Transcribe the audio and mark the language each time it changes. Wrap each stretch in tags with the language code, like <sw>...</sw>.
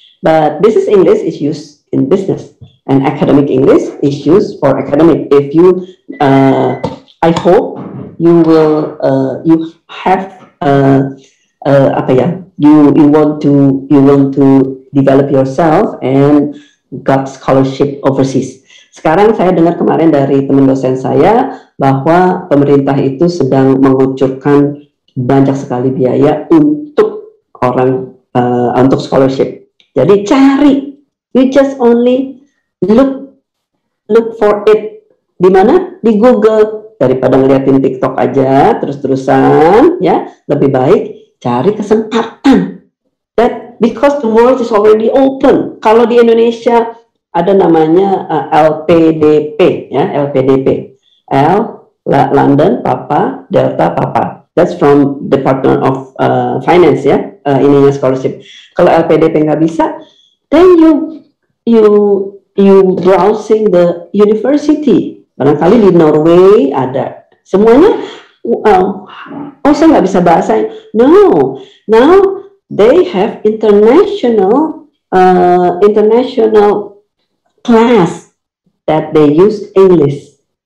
<en>But business English is used in business, and academic English is used for academic. If you I hope you will you have you want to develop yourself and got scholarship overseas.</en> <id>Sekarang saya dengar kemarin dari teman dosen saya bahwa pemerintah itu sedang mengucurkan banyak sekali biaya untuk orang untuk scholarship. Jadi cari,</id> <en>you just only look for it</en> <id>di mana? Di Google, daripada ngeliatin TikTok aja terus-terusan, ya lebih baik cari kesempatan.</id> <en>That because the world is already open.</en> <id>Kalau di Indonesia ada namanya LPDP, ya LPDP, L London Papa Delta Papa.</id> <en>That's from Department of Finance,</en> <id>ya ininya</id> <en>scholarship.</en> <id>Kalau LPDP nggak bisa,</id> <en>then you browsing the university.</en> <id>Barangkali di Norway ada semuanya. Oh saya nggak bisa bahasa.</id> <en>No, now they have international class that they use English.</en>